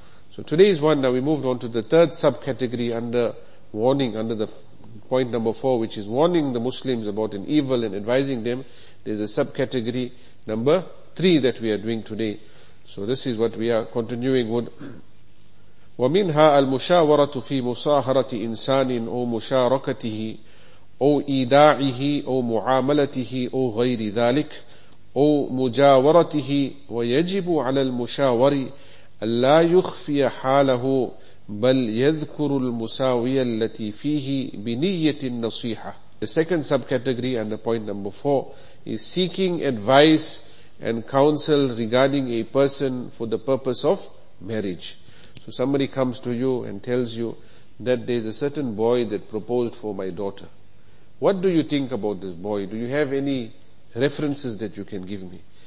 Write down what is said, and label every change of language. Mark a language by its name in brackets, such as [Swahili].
[English] So today is one. Now we moved on to the third subcategory under warning, under the point number four, which is warning the Muslims about an evil and advising them. There's a subcategory number three that we are doing today. So this is what we are continuing with. [Arabic] ومنها المشاورة في مصاهرة إنسان أو مشاركته أو إيداعه أو معاملته أو غير ذلك أو مجاورته، ويجب على المشاور ألا يخفي حاله بل يذكر المساوية التي فيه بنية النصيحة. [English] The second subcategory and the point number 4 is seeking advice and counsel regarding a person for the purpose of marriage. So somebody comes to you and tells you that there is a certain boy that proposed for my daughter. What do you think about this boy? Do you have any references that you can give me?